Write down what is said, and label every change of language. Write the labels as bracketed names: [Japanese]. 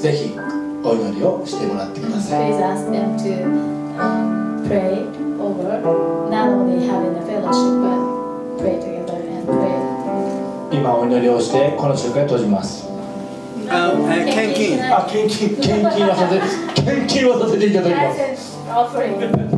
[Japanese] ぜひお祈りをしてもらってください。 [English] Please ask them to prayOver, not only having a fellowship, but pray together and pray. [Japanese] 今お祈りをしてこの集会を閉じます。献金をさせていただきます。